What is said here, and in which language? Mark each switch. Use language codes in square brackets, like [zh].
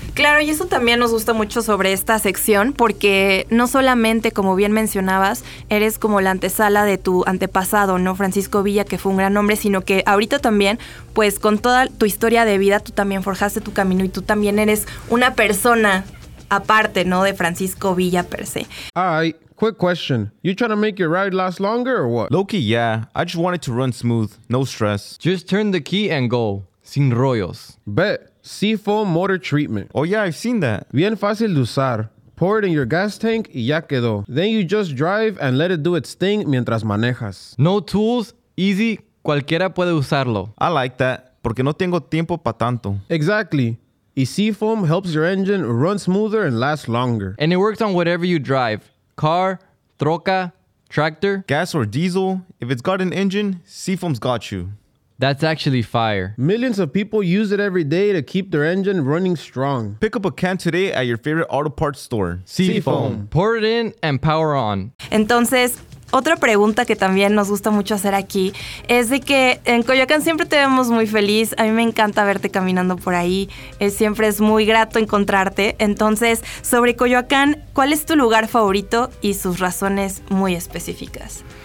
[es] Claro, y eso también nos gusta mucho sobre esta sección, porque no solamente, como bien mencionabas, eres como la antesala de tu antepasado, ¿no? Francisco Villa, que fue un gran hombre, sino que ahorita también, pues con toda tu historia de vida, tú también forjaste tu camino y tú también eres una persona aparte, ¿no? De Francisco Villa per se. [en] Alright, quick question. You trying to make your ride last longer or what? Low-key, yeah. I just want it to run smooth. No stress. Just turn the key and go. [es] Sin rollos. [en] Bet. Seafoam motor treatment. Oh yeah, I've seen that. [es] Bien fácil de usar. [en] Pour it in your gas tank [es] y ya quedó. [en] Then you just drive and let it do its thing [es] mientras manejas. [en] No tools. Easy. [es] Cualquiera puede usarlo. [en] I like that. [es] Porque no tengo tiempo para tanto. [en] Exactly. Y Seafoam helps your engine run smoother and last longer. And it works on whatever you drive. Car, troca, tractor. Gas or diesel. If it's got an engine, Seafoam's got you. That's actually fire. Millions of people use it every day to keep their engine running strong. Pick up a can today at your favorite auto parts store. Seafoam. Pour it in and power on. [es] Entonces, otra pregunta que también nos gusta mucho hacer aquí es de que en Coyoacán siempre te vemos muy feliz. A mí me encanta verte caminando por ahí. Siempre es muy grato encontrarte. Entonces, sobre Coyoacán, ¿cuál es tu lugar favorito y sus razones muy específicas?